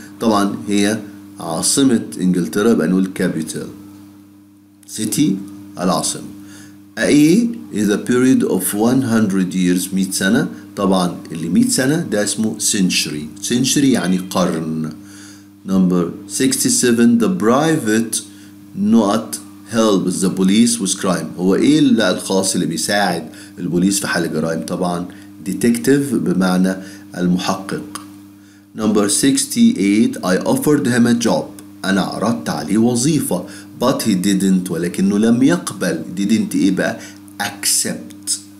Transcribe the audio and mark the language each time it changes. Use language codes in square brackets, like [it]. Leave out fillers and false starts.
[ar] طبعا هي عاصمة انجلترا بقى نقول capital. [en] City العاصمة. A is a period of 100 years. 100 سنة. [ar] طبعا اللي 100 سنة ده اسمه century. [en] Century [ar] يعني قرن. [en] Number 67. The private not help the police with crime. [ar] هو ايه الخاص اللي بيساعد البوليس في حل جرائم؟ طبعا detective بمعنى المحقق. [en] Number 68. I offered him a job. [ar] انا عرضت عليه وظيفة. [en] But he didn't. [ar] ولكنه لم يقبل. Didn't ايه بقى؟ Accept.